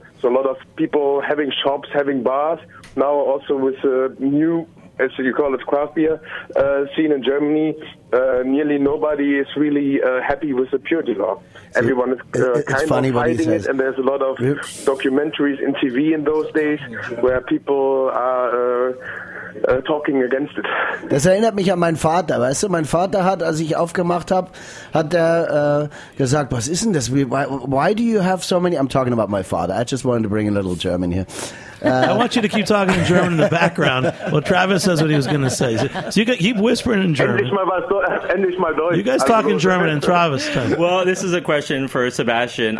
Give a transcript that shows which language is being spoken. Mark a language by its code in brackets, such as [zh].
[en] So a lot of people having shops, having bars, now also with a new, as you call it, craft beer scene in Germany, nearly nobody is really happy with the purity law. See, everyone is kind funny of hiding what he says. It, and there's a lot of documentaries in TV in those days where people are talking against it. [de] Das erinnert mich an meinen Vater, weißt du? Mein Vater hat, als ich aufgemacht habe, hat er gesagt, was ist denn das? [en] Why do you have so many... I'm talking about my father. I just wanted to bring a little German here. I want you to keep talking in German in the background. Well, Travis says what he was going to say. So you keep whispering in German. You guys talk in German and Travis... Well, this is a question for Sebastian.